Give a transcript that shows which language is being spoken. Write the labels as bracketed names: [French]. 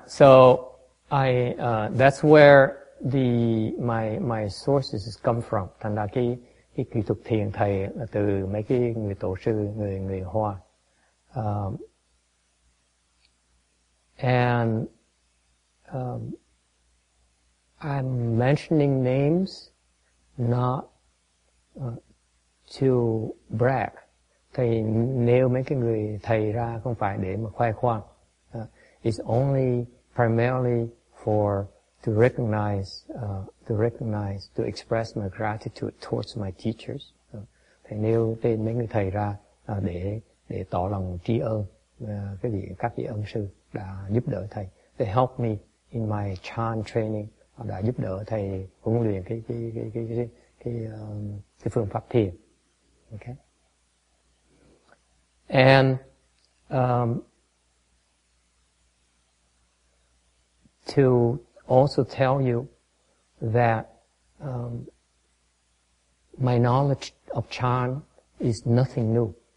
[English] So I that's where my sources come from. [Vietnamese] Thành ra cái kỹ thuật thiền thầy là từ mấy cái người tổ sư người Hoa. [English] And I'm mentioning names not to brag. [Vietnamese] Thầy nêu mấy cái người thầy ra không phải để mà khoe khoang. [English] It's only primarily for to recognize, to express my gratitude towards my teachers. [Vietnamese] Thầy nêu tên mấy người thầy ra để tỏ lòng tri ơn các vị ân sư đã giúp đỡ thầy. [English] They helped me in my Chan training. [Vietnamese] Đã giúp đỡ thầy huấn luyện cái phương pháp thiền. [English] Okay. And to also tell you that my knowledge of Chan is nothing new.